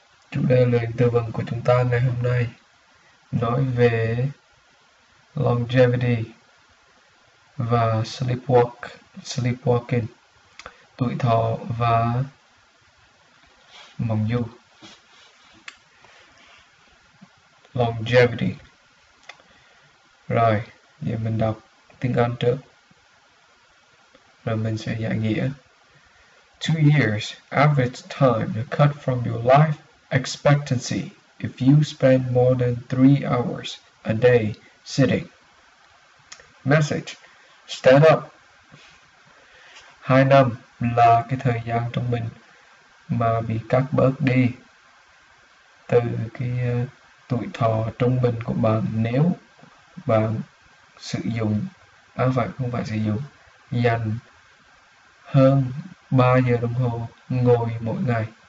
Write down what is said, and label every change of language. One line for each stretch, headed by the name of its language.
Vietnamese: Chủ đề lời từ vựng của chúng ta ngày hôm nay nói về longevity và sleepwalking, tuổi thọ và mộng du. Longevity. Rồi, giờ mình đọc tiếng Anh trước, rồi mình sẽ giải nghĩa.
English: 2 years, average time to cut from your life expectancy if you spend more than 3 hours a day sitting. Message, stand up.
Vietnamese: 2 năm là cái thời gian trong mình mà bị cắt bớt đi từ cái tuổi thọ trung bình của bạn nếu bạn sử dụng, không phải sử dụng, dành hơn 3 giờ đồng hồ ngồi mỗi ngày.